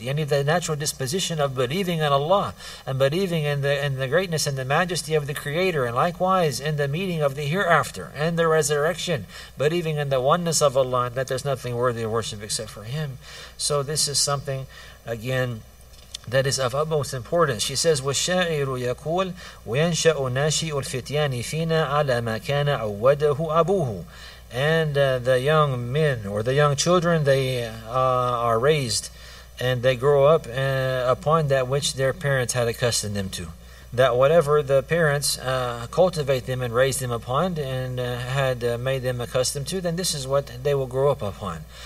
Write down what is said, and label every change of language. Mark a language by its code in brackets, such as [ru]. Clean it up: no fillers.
[en] Yani the natural disposition of believing in Allah, and believing in the greatness and the majesty of the Creator, and likewise in the meeting of the hereafter and the resurrection, believing in the oneness of Allah, and that there's nothing worthy of worship except for Him. So this is something, again, that is of utmost importance. She says, [ar] وَالشَّاعِرُ يَقُولُ وَيَنْشَأُ نَاشِئُ الْفِتْيَانِ فِينَا عَلَى مَا كَانَ عَوَّدَهُ أَبُوهُ. [en] And the young men, or the young children, they are raised, and they grow up upon that which their parents had accustomed them to. that whatever the parents cultivate them and raise them upon and had made them accustomed to, then this is what they will grow up upon.